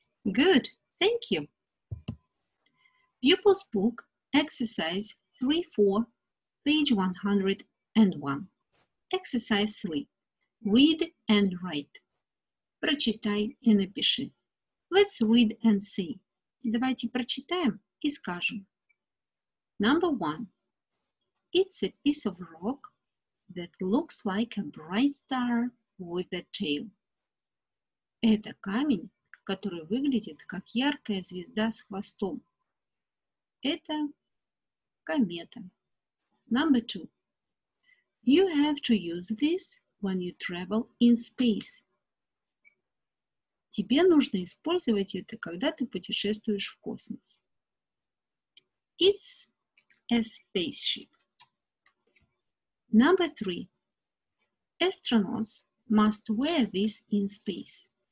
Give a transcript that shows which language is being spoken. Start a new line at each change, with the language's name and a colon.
English: Good. Thank you. Pupil's book, exercise 3-4, page 101. Exercise 3. Read and write.
Russian: Прочитай и напиши.
English: Let's read and see.
Russian: Давайте прочитаем и скажем.
English: Number 1. It's a piece of rock that looks like a bright star with a tail.
Russian: Это камень, который выглядит как яркая звезда с хвостом. Это комета.
English: Number 2. You have to use this when you travel in space.
Russian: Тебе нужно использовать это, когда ты путешествуешь в космос.
English: It's a spaceship. Number 3. Astronauts must wear this in space.